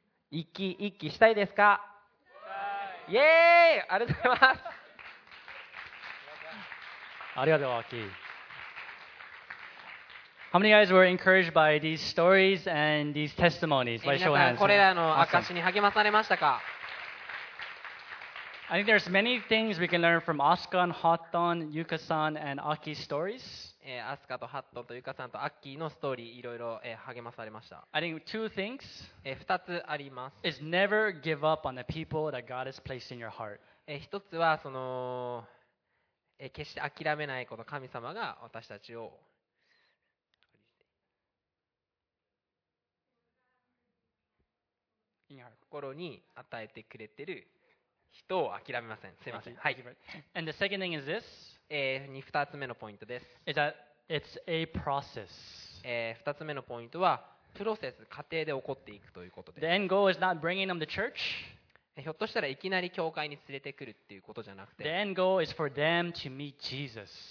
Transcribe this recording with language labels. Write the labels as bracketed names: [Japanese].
[Japanese] 一気一気したいですか？イエーイ、ありがとうございます。ありがとうございます。ありがとう。 [English] How many guys were encouraged by these stories and these testimonies? By show of hands. [Japanese] これらの証に励まされましたか？ [English] I think there's many things we can learn from Asuka and Hatton, Yuka-san and Aki's stories. [Japanese] Asuka と Hatton と Yuka-san と Aki のストーリーいろいろ励まされました。 [English] I think two things. [Japanese] 二つあります。 [English] Is never give up on the people that God has placed in your heart. [Japanese] 一つはその決して諦めないこの神様が私たちを。心に与えてくれてる人を諦めません。すみません。はい。 [English] And the second thing is this. [Japanese] 二つ目のポイントです。 [English] Is that it's a process. [Japanese] 二つ目のポイントはプロセス、過程で起こっていくということです。 [English] The end goal is not bringing them to church. [Japanese] ひょっとしたらいきなり教会に連れてくるっていうことじゃなくて、 [English] The end goal is for them to meet Jesus.